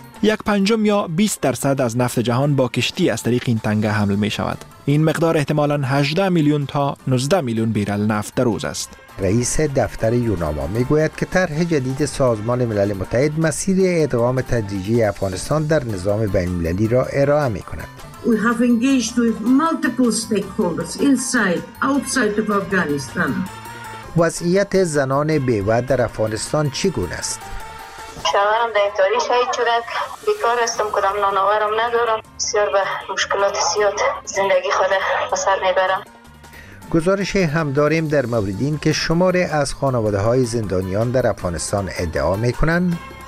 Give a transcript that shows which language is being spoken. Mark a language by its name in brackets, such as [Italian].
[Persian] 1/5 یا 20% از نفت جهان با کشتی از طریق این تنگه حمل می شود. این مقدار احتمالاً 18 میلیون تا 19 میلیون بیرل نفت در روز است. رئیس دفتر یوناما می گوید که طرح جدید سازمان ملل متحد مسیر ادغام تدریجی افغانستان در نظام بین المللی را ارائه می کند. [English] We have engaged with multiple stakeholders inside, outside of Afghanistan. [Persian] وضعیت زنان بیوه در افغانستان چگونه است؟ شوهرم دهنداری شهید شده، بیکار هستم، کدام نانوارم ندارم، بسیار به مشکلات زیاد زندگی خود بسر میبرم. گزارش هم داریم در مورد این که شماره از خانواده های زندانیان در افغانستان ادعا میکنند